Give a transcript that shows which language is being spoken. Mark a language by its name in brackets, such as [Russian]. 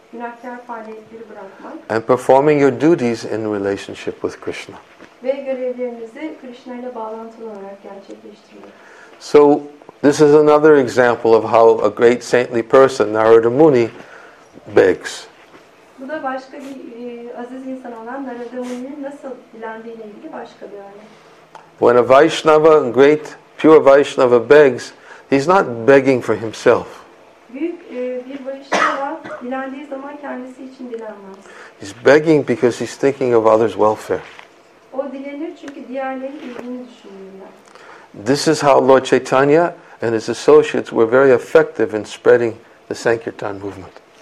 [Turkish] Günahkar faaliyetleri bırakmak. [English] And performing your duties in relationship with Krishna. [Turkish] Ve görevlerimizi Krishna ile bağlantılı olarak gerçekleştirmek. [English] So this is another example of how a great saintly person, Narada Muni, begs. [Turkish] Bu da başka bir aziz insan olan Narada Muni'nin nasıl dilendiğiyle ilgili başka bir örnek. [English] When a Vaishnava, great, pure Vaishnava begs, he's not begging for himself. [Turkish] Büyük bir Vaishnava dilendiği zaman kendisi için dilenmez. [English] He's begging because he's thinking of others' welfare. [Turkish] O dilenir çünkü diğerlerinin iyiliğini düşünüyor. [English] This is how Lord Chaitanya and his associates were very effective in spreading the Sankirtan movement.